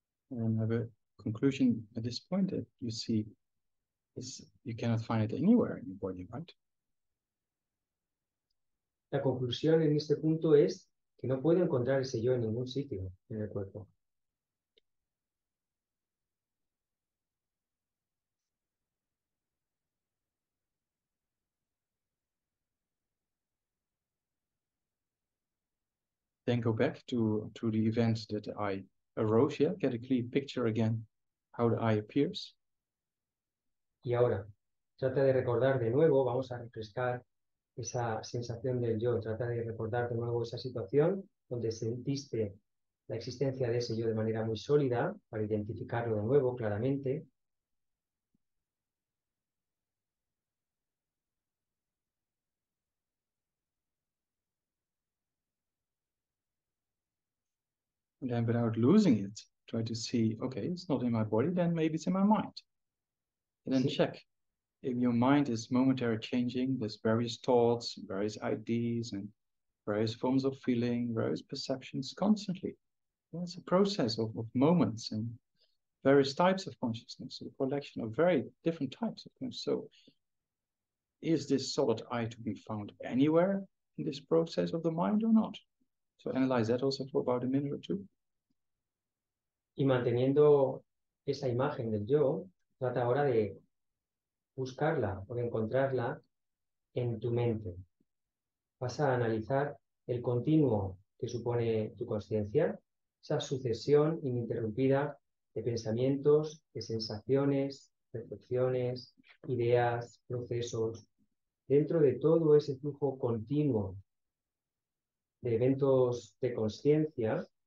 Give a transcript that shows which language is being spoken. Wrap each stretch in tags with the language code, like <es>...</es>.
<en>and have a conclusion at this point that you see is you cannot find it anywhere in your body, right?</en> <es>La conclusión en este punto es que no puedo encontrar ese yo en ningún sitio en el cuerpo.</es> <en>Then go back to the events that I arose, yeah? Get a clear picture again, how the eye appears.</en> <es>Y ahora, trata de recordar de nuevo, vamos a refrescar esa sensación del yo. Trata de recordar de nuevo esa situación donde sentiste la existencia de ese yo de manera muy sólida para identificarlo de nuevo claramente.</es> <en>And then without losing it, try to see, okay, it's not in my body, then maybe it's in my mind. And then check if your mind is momentarily changing, there's various thoughts, various ideas, and various forms of feeling, various perceptions constantly. It's a process of moments and various types of consciousness, a collection of very different types of things. So is this solid I to be found anywhere in this process of the mind or not? So analyze that also for about a minute or two.</en> <es>Y manteniendo esa imagen del yo, trata ahora de buscarla o de encontrarla en tu mente. Vas a analizar el continuo que supone tu conciencia, esa sucesión ininterrumpida de pensamientos, de sensaciones, percepciones, ideas, procesos, dentro de todo ese flujo continuo de eventos de conciencia.</es>